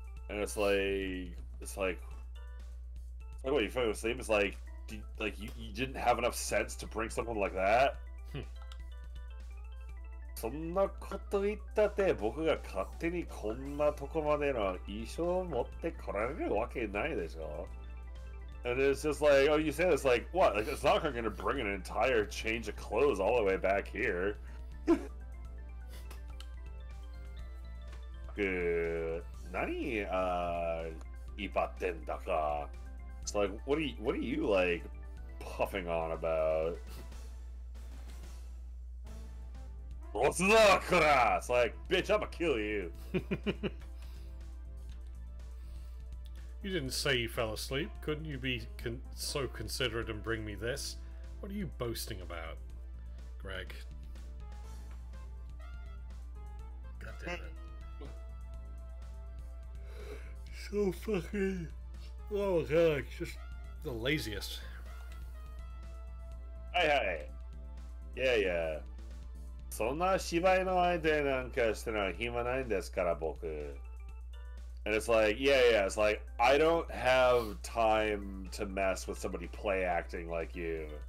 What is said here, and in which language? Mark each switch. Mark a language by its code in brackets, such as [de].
[en] And it's like, like, what, you fell asleep? It's like, you didn't have enough sense to bring someone like that? [ja] そんなこと言ったって僕が勝手にこんなとこまでの衣装を持ってこられるわけないでしょ [en] And it's just like, oh, you say this, like, what? Like, it's not going to bring an entire change of clothes all the way back here. [ja] Good. 何、威張ってんだか [en] It's like, what are you, like, puffing on about? What's the crap? It's like, bitch, I'ma kill you. You didn't say you fell asleep. Couldn't you be so considerate and bring me this? What are you boasting about, Greg? God damn it. So fucking... Oh, God. Just the laziest. Hey, hey. Yeah, yeah. [ja] そんな芝居の相手なんかしてるのは暇ないんですから僕 [en] And it's like, yeah, it's like, I don't have time to mess with somebody play acting like you.